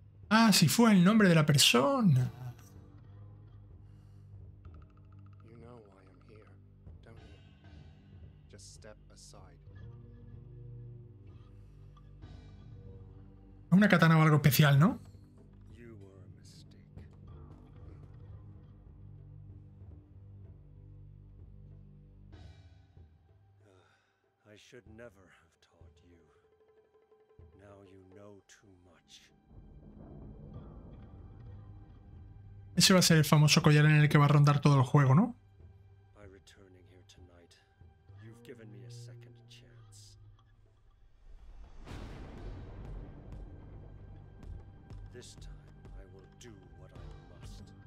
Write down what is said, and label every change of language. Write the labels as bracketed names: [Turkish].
[Spanish] Ah, si fue el nombre de la persona. [English] You know why I'm here, don't you? Just step aside. [Spanish] Una katana o algo especial, ¿no? [English] You were a mistake. I should never have taught you. Now you know too much. [Spanish] Ese va a ser el famoso collar en el que va a rondar todo el juego, ¿no? [English] By returning here tonight, you've given me a second chance. This time I will do what I must.